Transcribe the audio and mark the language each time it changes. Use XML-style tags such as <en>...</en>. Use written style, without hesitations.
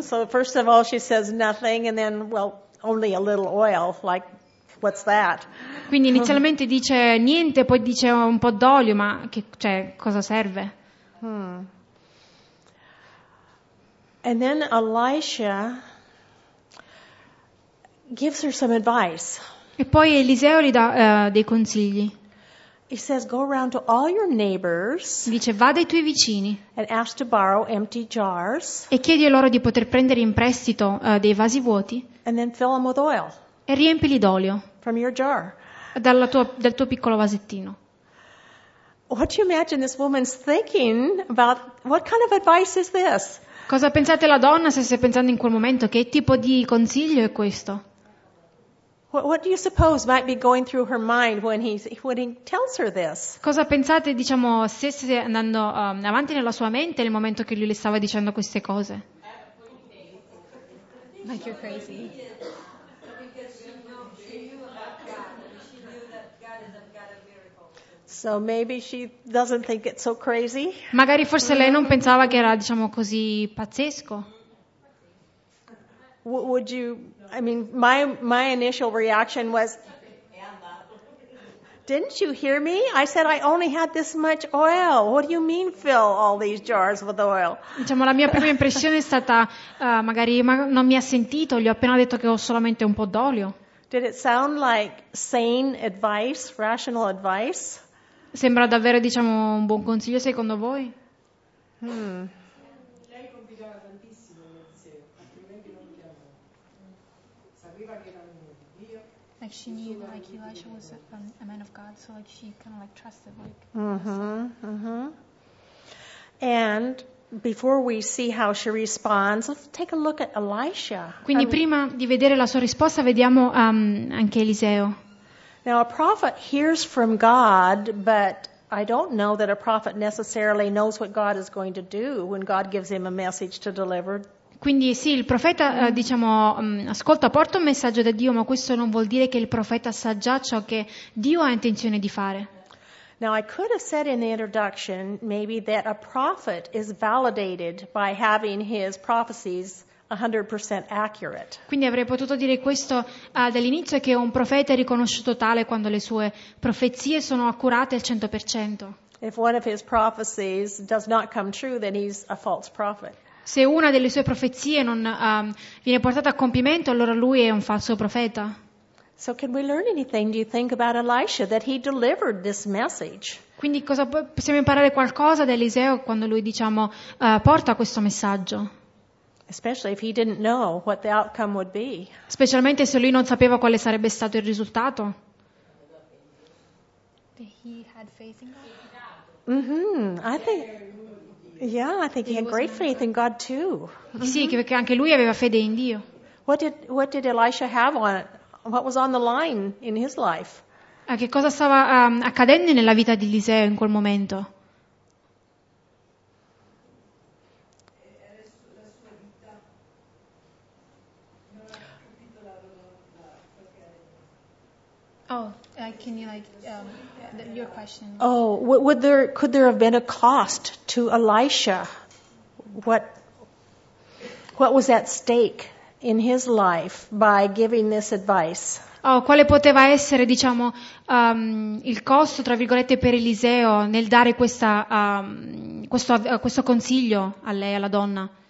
<en>So first of all, she says nothing, and then, well, only a little oil, like, what's that?</en> <it>Quindi inizialmente dice niente, poi dice un po' d'olio, ma che, cioè, cosa serve?</it> <en>And then Elisha gives her some advice.</en> <it>E poi Eliseo gli dà dei consigli.</it> <en>He says, go around to all your neighbors.</en> <it>Dice, va dai tuoi vicini.</it> <en>And ask to borrow empty jars.</en> <it>E chiedi loro di poter prendere in prestito dei vasi vuoti.</it> <en>And then fill them with oil.</en> <it>E riempili d'olio.</it> <en>From your jar.</en> <it>Dal tuo piccolo vasettino.</it> <en>What do you imagine this woman's thinking about? What kind of advice is this?</en> <it>Cosa pensate la donna se stai pensando in quel momento? Che tipo di consiglio è questo?</it> <en>What do you suppose might be going through her mind when he tells her this?</en> <it>Cosa pensate, diciamo, stesse andando avanti nella sua mente nel momento che lui le stava dicendo queste cose?</it> <en>Like you're crazy. So maybe she doesn't think it's so crazy.</en> <it>Magari forse lei non pensava che era, diciamo, così pazzesco.</it> <en>Would you? I mean, my initial reaction was, didn't you hear me? I said I only had this much oil. What do you mean fill all these jars with oil?</en> <it>Diciamo, la mia prima impressione è stata magari non mi ha sentito. Gli ho appena detto che ho solamente un po' d'olio.</it> <en>Did it sound like sane advice, rational advice?</en> <it>Sembra davvero, diciamo, un buon consiglio secondo voi?</it> <en>Like she knew, like Elisha was a man of God, so like she kind of like trusted, like. And before we see how she responds, let's take a look at Elisha.</en> <it>Quindi prima di vedere la sua risposta, vediamo anche Eliseo.</it> <en>Now a prophet hears from God, but I don't know that a prophet necessarily knows what God is going to do when God gives him a message to deliver.</en> <it>Quindi sì, il profeta, diciamo, ascolta, porta un messaggio da Dio, ma questo non vuol dire che il profeta sa già ciò che Dio ha intenzione di fare.</it> <en>Now I could have said in the introduction maybe that a prophet is validated by having his prophecies 100% accurate.</en> <it>Quindi avrei potuto dire questo dall'inizio, che un profeta è riconosciuto tale quando le sue profezie sono accurate al 100%.</it> <en>If one of his prophecies does not come true, then he's a false prophet.</en> <it>Se una delle sue profezie non viene portata a compimento, allora lui è un falso profeta.</it> <en>So can we learn anything, do you think, about Elisha that he delivered this message?</en> <it>Quindi cosa, possiamo imparare qualcosa da Eliseo quando lui, diciamo, porta questo messaggio?</it> <en>Especially if he didn't know what the outcome would be.</en> <it>Specialmente se lui non sapeva quale sarebbe stato il risultato.</it> <en>He had faith in God. Mm-hmm. I think Yeah, I think he had great faith in God too.</en> <it>Sì, perché anche lui aveva fede in Dio.</it> <en>What did Elisha have on it? What was on the line in his life?</en> <it>A che cosa stava accadendo nella vita di Eliseo in quel momento?</it> <en>Oh, can you like your question? Oh, could there have been a cost to Elisha? What was at stake in his life by giving this advice?</en> <it>Oh, quale poteva essere, diciamo, il costo tra virgolette per Eliseo nel dare questa questo consiglio a lei, alla donna?</it>